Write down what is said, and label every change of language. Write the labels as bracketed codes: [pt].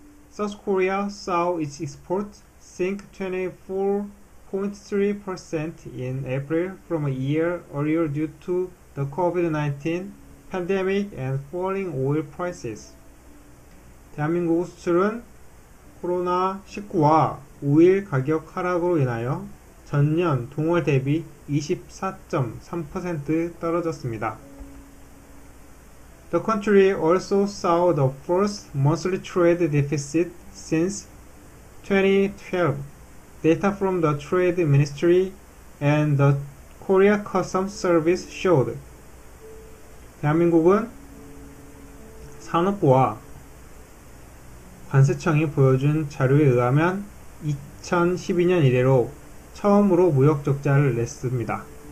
[en] South Korea saw its exports sink 24.3% in April from a year earlier due to the COVID-19 pandemic and falling oil prices. [ko] 대한민국 수출은 코로나19와 오일 가격 하락으로 인하여 전년 동월 대비 24.3% 떨어졌습니다. [en] The country also saw the first monthly trade deficit since 2012. Data from the Trade Ministry and the Korea Customs Service showed. [ko] 대한민국은 산업부와 관세청이 보여준 자료에 의하면 2012년 이래로 처음으로 무역 적자를 냈습니다.